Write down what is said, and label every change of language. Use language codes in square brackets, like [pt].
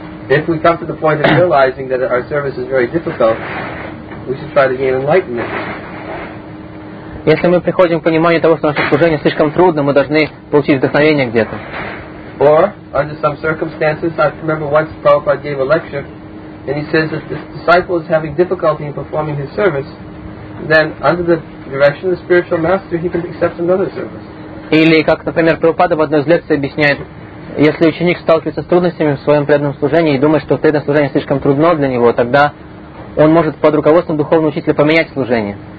[en] If we come to the point of realizing that our service is very difficult, we should try to gain enlightenment. [ru] Если мы приходим к пониманию того, что наше служение слишком трудно, мы должны получить вдохновение где-то. [en] Or under some circumstances, I remember once Prabhupada gave a lecture, and he says that if the disciple is having difficulty in performing his service, then under the direction of the spiritual master, he can accept another service. [ru] Или как, например, Прабхупада в одной из лекций объясняет. Если ученик сталкивается с трудностями в своем преданном служении и думает, что преданное служение слишком трудно для него, тогда он может под руководством духовного учителя поменять служение.